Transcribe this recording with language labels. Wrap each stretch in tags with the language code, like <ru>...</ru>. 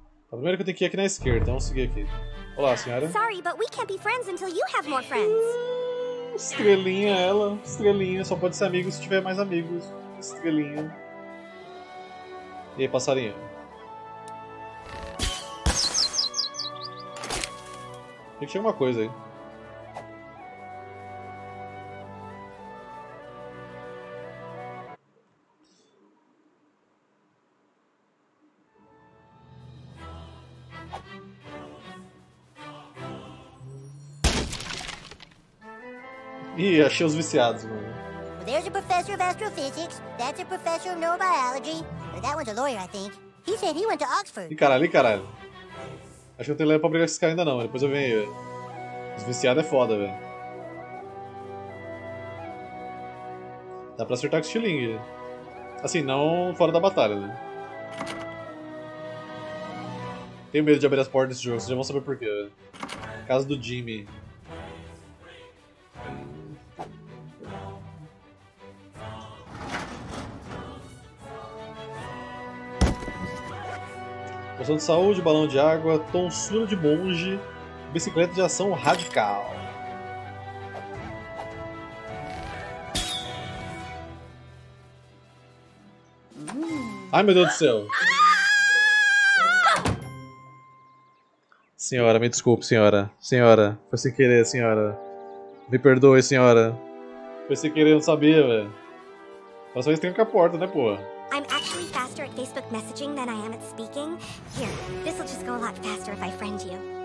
<pt>Primeiro que eu tenho que ir aqui na esquerda, vamos seguir aqui. Olá, senhora.</pt> <en>Sorry, but we can't be friends until you have more friends.</en> <pt>Estrelinha, ela. Estrelinha, só pode ser amigo se tiver mais amigos. Estrelinha. E aí, passarinho? Tem que chegar uma coisa aí. Ih, achei os viciados, mano.</pt> <en>Well, there's a professor of astrophysics, that's a professor of neurobiology, that one's a lawyer, I think. He said he went to Oxford.</en> <pt>Ih, caralho, caralho. Acho que eu não tenho leve pra brigar com esse cara ainda não, depois eu venho aí. Os viciados é foda, velho. Dá pra acertar com o estilingue. Assim, não fora da batalha, né? Tenho medo de abrir as portas nesse jogo, vocês já vão saber porquê, velho. Casa do Jimmy. Poção de saúde, balão de água, tonsura de monge, bicicleta de ação radical. Ai, meu Deus do céu. Senhora, me desculpe, senhora. Senhora, foi sem querer, senhora. Me perdoe, senhora. Foi sem querer, eu não sabia, velho. Passou isso, tem com a porta, né, porra?</pt> <en>I'm actually faster at Facebook messaging than I am at speaking. Here, this will just go a lot faster if I friend you.</en>